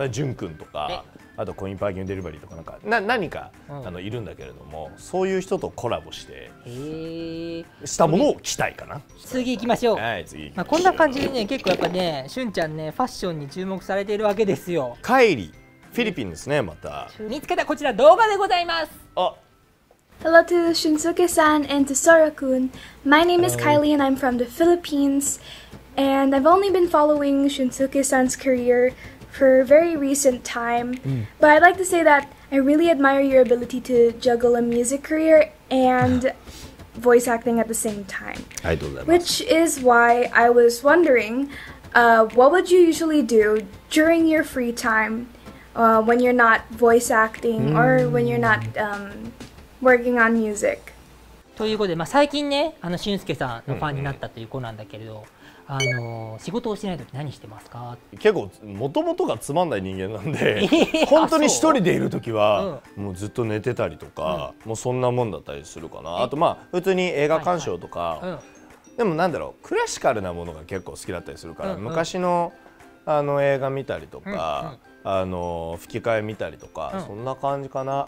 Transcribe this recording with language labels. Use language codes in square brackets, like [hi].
[ja] で、順くんとか、あとコインパーキングデリバリーとかなんか何か、いるんだけれども、そういう人とコラボしてしたものを着たいかな。次行きましょう。はい、次行きましょう。こんな感じでね、結構やっぱね、しゅんちゃんね、ファッションに注目されているわけですよ。帰りフィリピンですね。また見つけたこちら動画でございます。あ、 [en] Hello to Shunsuke-san and to Sora-kun. My name is Kylie and I'm from the Philippines. And I've only been following Shunsuke-san's careerfor a very recent time. But I'd like to say that I really admire your ability to juggle a music career and voice acting at the same time. I do that. Which is why I was wondering, what would you usually do during your free time, when you're not voice acting or when you're not working on music? [ja] ということで、まあ、最近ね、しゅんすけさんのファンになったという子なんだけれど、仕事をしないとき何してますか？結構もともとがつまんない人間なんで本当に一人でいるときは、もうずっと寝てたりとか、もうそんなもんだったりするかな。あと、まあ普通に映画鑑賞とか、でもなんだろう、クラシカルなものが結構好きだったりするから、昔の映画見たりとか、吹き替え見たりとか、そんな感じかな。